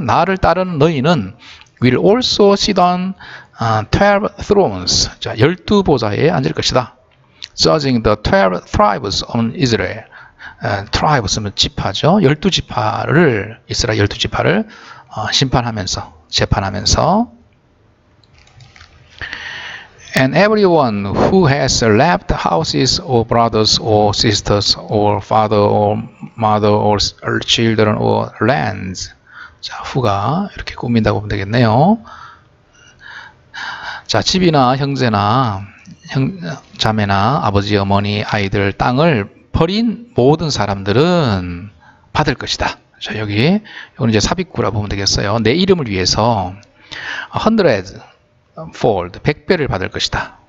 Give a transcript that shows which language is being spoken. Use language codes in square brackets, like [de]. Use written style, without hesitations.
[ko] 나를 따르는 너희는 [en] will also sit on 12 thrones. [ko] 자, 12 보좌에 앉을 것이다. [en] Judging the 12 tribes on Israel. [ko] Tribes는 지파죠. 12 지파를 이스라엘 12 지파를 심판하면서 재판하면서. [en] And everyone who has left houses or brothers or sisters or father or mother or children or lands. [ko] 자, 후가 이렇게 꾸민다고 보면 되겠네요. 자, 집이나 형제나 자매나 아버지, 어머니, 아이들, 땅을 버린 모든 사람들은 받을 것이다. 자, 여기, 이건 이제 삽입구라 보면 되겠어요. 내 이름을 위해서 [en] hundreds, fold, [ko] 100배를 받을 것이다.